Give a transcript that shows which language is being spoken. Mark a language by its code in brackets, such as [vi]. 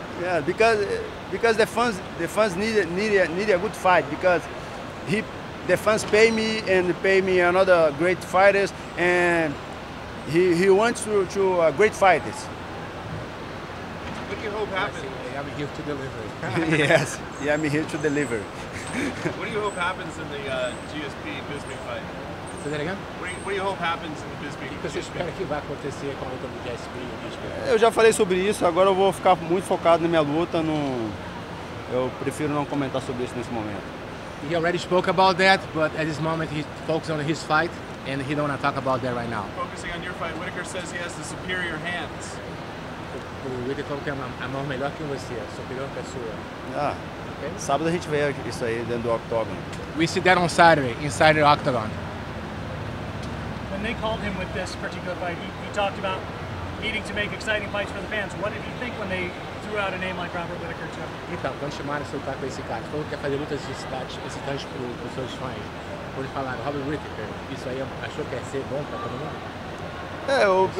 [en] Yeah, because the fans need a good fight, because the fans pay me and pay me another great fighters, and he wants to great fighters. What do you hope happens? I'm here to deliver. Yes, yeah, I'm here to deliver. What do you hope happens in the GSP Bisping fight? Say that again? What do you hope happens in the Bisping fight? [pt] O que você espera que vai acontecer com a luta do GSP? Eu já falei sobre isso, agora eu vou ficar muito focado na minha luta. Eu prefiro não comentar sobre isso nesse momento. [en] He already spoke about that, but at this moment he focused on his fight and he don't want to talk about that right now. Focusing on your fight, Whittaker says he has the superior hands. [pt] Whittaker que é a mão melhor que você, superior que a sua. Ah, sábado a gente vê isso aí dentro do octagon. [en] We see that on Saturday, inside the octagon. When they called him with this particular fight, he talked about needing to make exciting fights for the fans. What did he think when they threw out a name like Robert Whittaker to him? [pt] Então, quando chamaram para lutar com esse cara, falou que ia fazer lutas excitantes para os seus fãs. Quando falaram, Robert Whittaker, isso aí achou que ia ser bom para todo mundo?